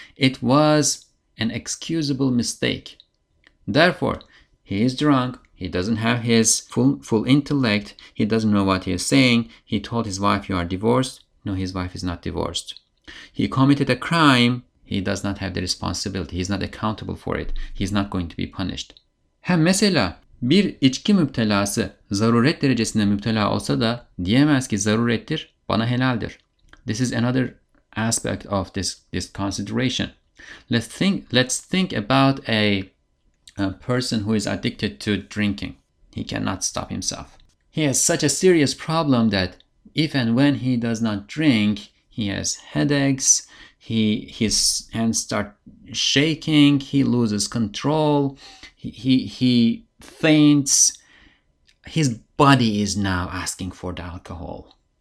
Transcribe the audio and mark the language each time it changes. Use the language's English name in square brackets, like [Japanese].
[English] It was an excusable mistake. Therefore, he is drunk. He doesn't have his full intellect. He doesn't know what he is saying. He told his wife, "You are divorced." No, his wife is not divorced. He committed a crime. He does not have the responsibility. He's not accountable for it. He's not going to be punished. [Turkish] Hem mesela bir içki müptelası zaruret derecesinde müptela olsa da diyemez ki zarurettir, bana helaldir. [English] This is another aspect of this consideration. Let's think about a person who is addicted to drinking. He cannot stop himself. He has such a serious problem that if and when he does not drink, he has headaches, his hands start shaking, he loses control, he faints, his body is now asking for the alcohol.